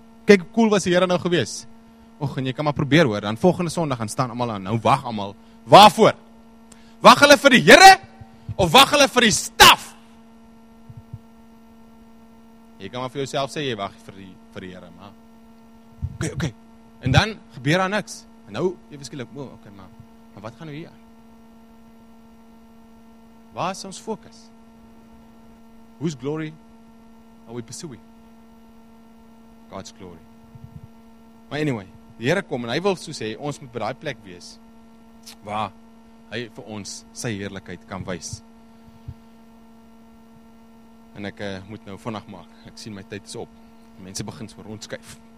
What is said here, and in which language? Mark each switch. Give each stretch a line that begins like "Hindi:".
Afrikaans: Kyk hoe cool was die Here nou gewees. Och, en jy kan maar probeer hoor, dan volgende Sondag gaan staan almal aan. Nou wag almal. Waarvoor? Wag hulle vir die Here of wag hulle vir die staf? Jy kan maar vir jouself sê jy wag vir die Here, maar okay. En dan gebeur daar niks. En nou, eweskielik, o, okay, maar wat gaan nou hier aan? Waar is ons fokus?
English: Whose glory are we pursuing? God's glory. But anyway,
Afrikaans: die Here kom en hy wil so sê, ons moet by daai plek wees waar hy vir ons sy heerlikheid kan wys. En ek moet nou vinnig maak. Ek sien my tyd is op. Mense begin so rondskuif.